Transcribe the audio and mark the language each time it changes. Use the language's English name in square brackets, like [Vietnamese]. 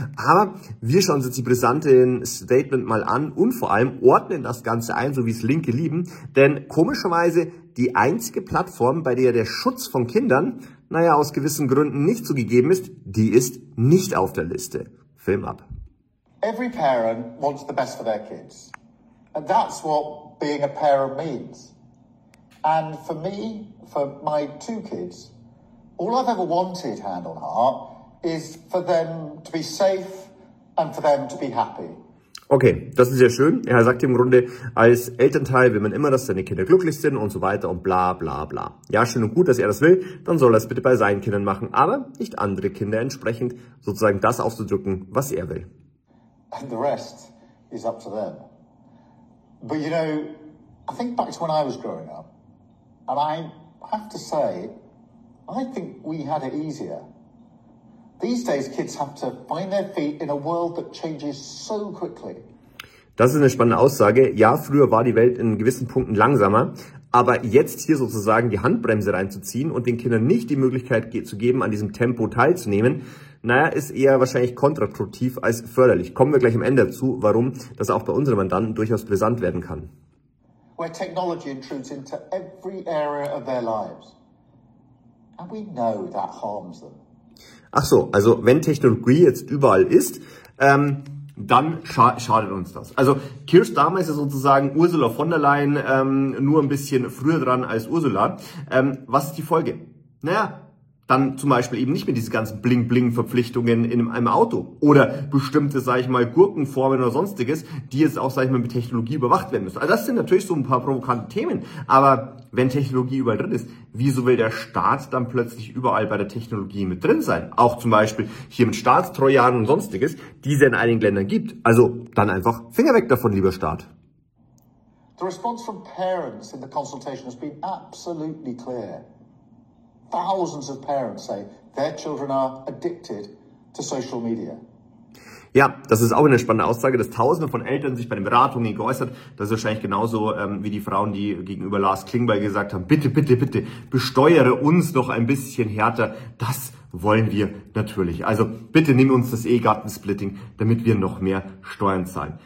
[German] Aber wir schauen uns jetzt die brisante Statement mal an und vor allem ordnen das Ganze ein, so wie es Linke lieben. Denn komischerweise die einzige Plattform, bei der der Schutz von Kindern, naja, aus gewissen Gründen nicht so gegeben ist, die ist nicht auf der Liste. Film ab. [English] Every parent wants the best for their kids. And that's what being a parent means. And for me, for my two kids, all I've ever wanted, hand on heart, is for them to be safe and for them to be happy. [German] Okay, das ist ja schön. Er sagt im Grunde, als Elternteil will man immer, dass seine Kinder glücklich sind und so weiter und bla bla bla. Ja, schön und gut, dass er das will, dann soll er es bitte bei seinen Kindern machen, aber nicht andere Kinder entsprechend sozusagen das auszudrücken, was er will. [English] And the rest is up to them. But you know, I think back to when I was growing up, and I have to say, I think we had it easier. These days kids have to find their feet in a world that changes so quickly. [German] Das ist eine spannende Aussage. Ja, früher war die Welt in gewissen Punkten langsamer, aber jetzt hier sozusagen die Handbremse reinzuziehen und den Kindern nicht die Möglichkeit zu geben, an diesem Tempo teilzunehmen, naja, ist eher wahrscheinlich kontraproduktiv als förderlich. Kommen wir gleich am Ende dazu, warum das auch bei unseren Mandanten durchaus brisant werden kann. [English] Where technology intrudes into every area of their lives. And we know that harms them. [German] Ach so, also wenn Technologie jetzt überall ist, dann schadet uns das. Also Keir Starmer ist ja sozusagen Ursula von der Leyen, nur ein bisschen früher dran als Ursula. Was ist die Folge? Naja, dann zum Beispiel eben nicht mehr diese ganzen Bling-Bling-Verpflichtungen in einem Auto oder bestimmte, sag ich mal, Gurkenformen oder sonstiges, die jetzt auch, sag ich mal, mit Technologie überwacht werden müssen. Also das sind natürlich so ein paar provokante Themen, aber wenn Technologie überall drin ist, wieso will der Staat dann plötzlich überall bei der Technologie mit drin sein? Auch zum Beispiel hier mit Staatstrojanen und sonstiges, die es in einigen Ländern gibt. Also dann einfach Finger weg davon, lieber Staat. [English] The response from parents in the consultation has been absolutely clear. Thousands of parents say their children are addicted to social media. [German] Ja, das ist auch eine spannende Aussage, dass Tausende von Eltern sich bei den Beratungen geäußert. Das ist wahrscheinlich genauso wie die Frauen, die gegenüber Lars Klingbeil gesagt haben, bitte, bitte, bitte, besteuere uns noch ein bisschen härter. Das wollen wir natürlich. Also bitte nimm uns das Ehegattensplitting, damit wir noch mehr Steuern zahlen.